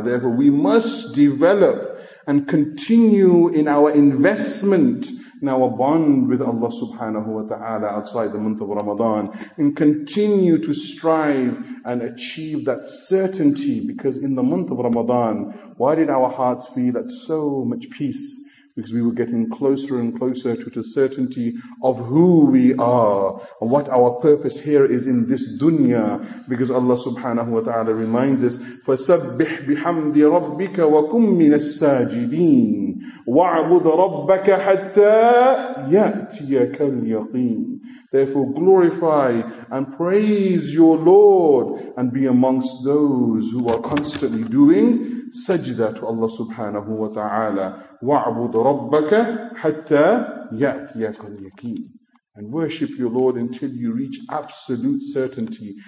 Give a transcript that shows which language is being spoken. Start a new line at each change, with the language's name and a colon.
English: Therefore, we must develop and continue in our investment, now a bond with Allah subhanahu wa ta'ala outside the month of Ramadan, and continue to strive and achieve that certainty. Because in the month of Ramadan, why did our hearts feel at so much peace? Because we were getting closer and closer to the certainty of who we are and what our purpose here is in this dunya. Because Allah subhanahu wa ta'ala reminds us,
Arabic: فَسَبِّحْ بِحَمْدِ رَبِّكَ وَكُمْ مِنَ السَّاجِدِينَ وَعْبُدْ رَبَّكَ حَتَّى يَأْتِيَكَ الْيَقِينَ.
English: Therefore glorify and praise your Lord and be amongst those who are constantly doing sajda to Allah subhanahu wa ta'ala.
Arabic: وَعْبُدْ رَبَّكَ حَتَّى يَأْتِيَكَ الْيَقِينَ.
English: And worship your Lord until you reach absolute certainty.